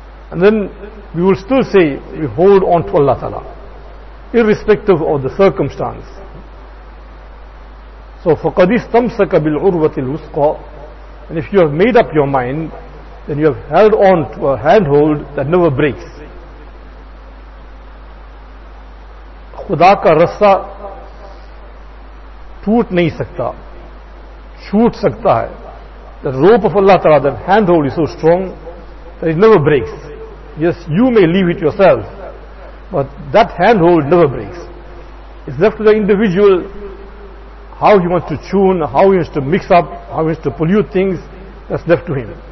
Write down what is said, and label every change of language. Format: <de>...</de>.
<en>And then we will still say we hold on to Allah Ta'ala, irrespective of the circumstance.</en> <ar>So فَقَدِ اسْتَمْسَكَ بِالْعُرْوَةِ الْوُسْقَى.</ar> <en>And if you have made up your mind, then you have held on to a handhold that never breaks.</en> <ur>خُدَا کا رَسَّى ٹوٹ نہیں سکتا, چھوٹ سکتا ہے.</ur> <en>The rope of Allah Ta'ala, that handhold is so strong that it never breaks. Yes, you may leave it yourself, but that handhold never breaks. It's left to the individual how he wants to tune, how he wants to mix up, how he wants to pollute things. That's left to him.</en>